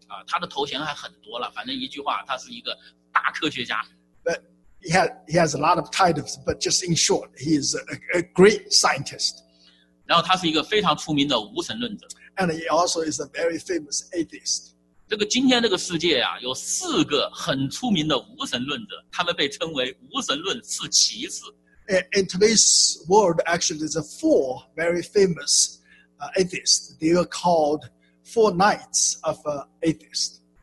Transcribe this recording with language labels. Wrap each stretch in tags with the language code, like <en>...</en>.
<zh>他的头衔还很多了，反正一句话，他是一个大科学家。</zh> <en>But he has a lot of titles, but just in short, he is a great scientist.</en> <zh>然后他是一个非常出名的无神论者。</zh> <en>And he also is a very famous atheist.</en> <zh>这个今天这个世界啊，有四个很出名的无神论者，他们被称为无神论四骑士。</zh> <en>In today's world, actually, there's four very famous atheists. They are called four knights of atheist.</en>